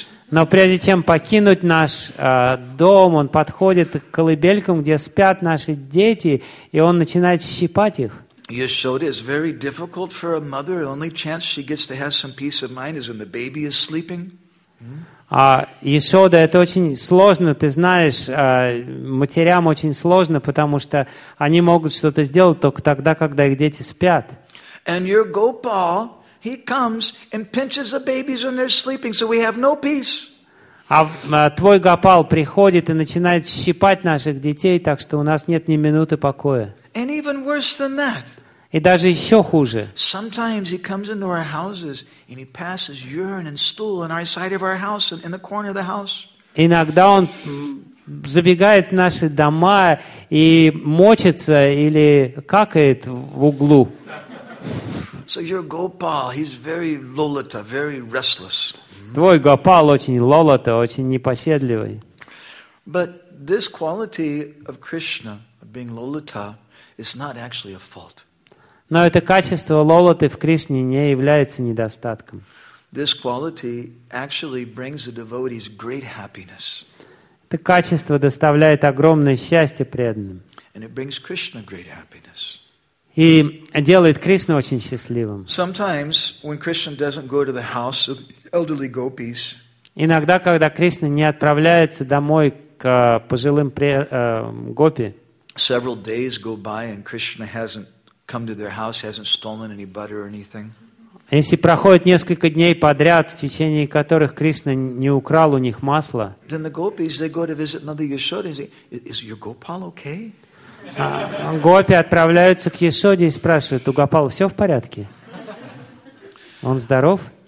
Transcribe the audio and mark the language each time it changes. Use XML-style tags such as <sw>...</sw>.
<ru>Но прежде чем покинуть наш дом, он подходит к колыбелькам, где спят наши дети, и он начинает щипать их.</ru> <en>Yashoda is very difficult for a mother. The only chance she gets to have some peace of mind is when the baby is sleeping.</en> <ru>А Yashoda, это очень сложно, ты знаешь, матерям очень сложно, потому что они могут что-то сделать только тогда, когда их дети спят.</ru> <en>And your Gopal, he comes and pinches the babies when they're sleeping, so we have no peace.</en> <ru>А твой Гопал приходит и начинает щипать наших детей, так что у нас нет ни минуты покоя.</ru> <en>And even worse than that.</en> <ru>И даже еще хуже.</ru> <en>Sometimes he comes into our houses and he passes urine and stool on our side of our house in the corner of the house.</en> <ru>Иногда он забегает в наши дома и мочится или какает в углу.</ru> <en>So your Gopal, he's very lolita, very restless.</en> <ru>Твой Гопал очень лолота, очень непоседливый.</ru> <en>But this quality of Krishna, of being lolita, is not actually a fault.</en> <ru>Но это качество лолоты в Кришне не является недостатком.</ru> <en>This quality actually brings the devotees great happiness.</en> <ru>Это качество доставляет огромное счастье преданным.</ru> <en>And it brings Krishna great happiness.</en> <ru>И делает Кришну очень счастливым.</ru> <en>Sometimes when Krishna doesn't go to the house of elderly gopis.</en> <ru>Иногда, когда Кришна не отправляется домой к пожилым гопи.</ru> <en>Several days go by and Krishna hasn't come to their house, hasn't stolen any butter or anything.</en> <ru>Если проходит несколько дней подряд, в течение которых Кришна не украл у них масла, гопи отправляются к Ясоде и спрашивают, у Гопала все в порядке? Он здоров?</ru>